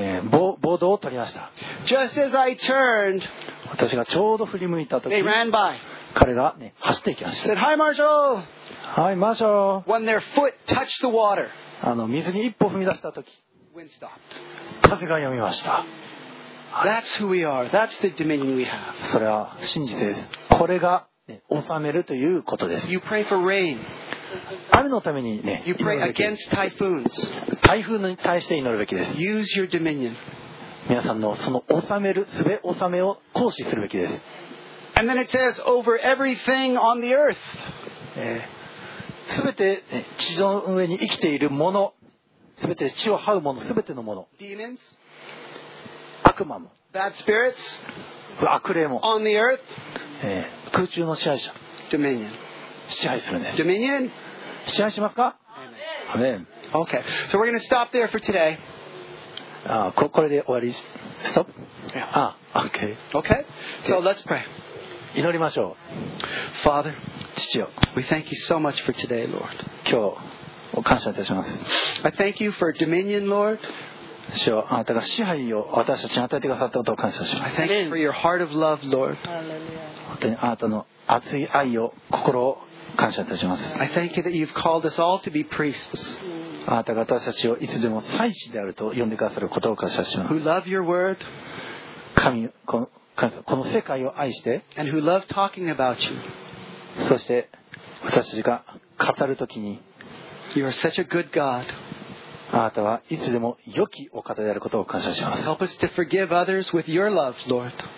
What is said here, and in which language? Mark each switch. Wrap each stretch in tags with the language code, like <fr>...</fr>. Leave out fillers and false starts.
<ja>ボードを取りました。</ja> <en>Just as I turned,</en> <ja>私がちょうど振り向いた時、</ja> <en>they ran by.</en> <ja>彼が、ね、走っていきました。</ja> <en>Said, Hi, Marshall. Hi, Marshall. When their foot touched the water,</en> <ja>水に一歩踏み出した時、</ja> <en>wind stopped.</en> <ja>風が止みました。</ja> <en>That's who we are. That's the dominion we have.</en> <ja>それは真実です。これがね、収めるということです。</ja> <en>You pray for rain.</en> <ja>雨のために、ね、</ja> <en>you pray against typhoons.</en> <ja>台風に対して祈るべきです。</ja> <en>Use your dominion.</en> <ja>皆さんのその収める、すべ収めを行使するべきです。</ja> <en>And then it says, over everything on the earth.</en> <ja>すべて、ね、地上の上に生きているもの、すべて地を這うもの、すべてのもの。</ja> <en>Demons.</en> <ja>悪魔も。</ja> <en>Bad spirits.</en> <ja>悪霊も。</ja> <en>On the earth.</en> <ja>空中の支配者。</ja> <en>Dominion.</en> <ja>支配するんです。</ja> <en>Dominion.</en> <ja>支配しますか？アメン。</ja> <en>Okay. So we're going to stop there for today.</en> <ja>これで終わり。ストップ。</ja> <en>Yeah. Okay. Okay. So let's pray.</en> <ja>祈りましょう。</ja> <en>Father.</en> <ja>父よ。</ja> <en>We thank you so much for today, Lord.</en> <ja>今日、お感謝いたします。</ja> <en>I thank you for Dominion, Lord.</en> <ja>主よ、あなたが支配を私たちに与えてくださったことを感謝します。</ja> <en>I thank you for your heart of love, Lord.</en> <ja>本当にあなたの熱い愛を心を感謝いたします。</ja> <en>I thank you that you've called us all to be priests.</en> <ja>あなたが私たちをいつでも祭司であると呼んでくださることを感謝します。</ja> <en>Who love your word?</en> <ja>神、この世界を愛して。</ja> <en>And who love talking about you?</en> <ja>そして私たちが語るときに。</ja> <en>You are such a good God.</en> <ja>あなたはいつでも良きお方であることを感謝します。</ja> <en>Help us to forgive others with your love, Lord.</en>